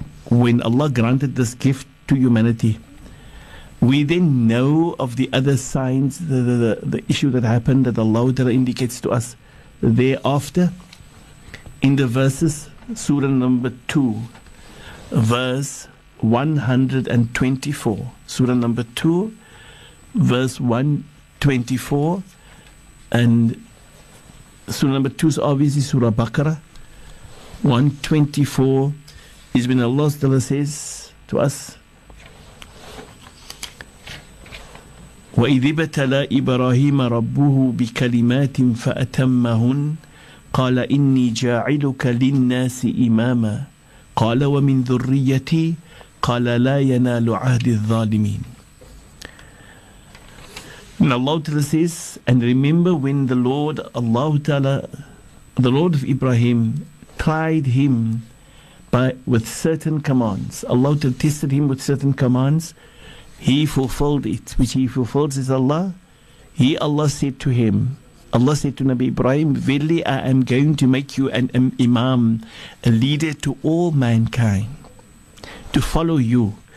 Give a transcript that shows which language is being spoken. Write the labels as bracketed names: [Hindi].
[English] When Allah granted this gift to humanity, we then know of the other signs, the issue that happened, that Allah indicates to us thereafter in the verses, Surah number 2, verse 124. Surah number 2, verse 124. And Surah number 2 is obviously Surah Baqarah, 124. Is when Allah still says to us, [Arabic] وَإِذِ بَتَلَى إِبْرَاهِيمَ رَبُّهُ بِكَلِمَاتٍ فَأَتَمَّهُنْ قَالَ إِنِّي جَاعِلُكَ لِلنَّاسِ إِمَامًا قَالَ وَمِنْ ذُرِّيَّتِي قَالَ لَا يَنَالُ عَهْدِ الظَّالِمِينَ. [English] And Allah still says, and remember when the Lord, Allah Ta'ala, the Lord of Ibrahim, tried him with certain commands. Allah tested him with certain commands. He fulfilled it. Which he fulfills is Allah. Allah said to Nabi Ibrahim, verily I am going to make you an imam, a leader to all mankind, to follow you.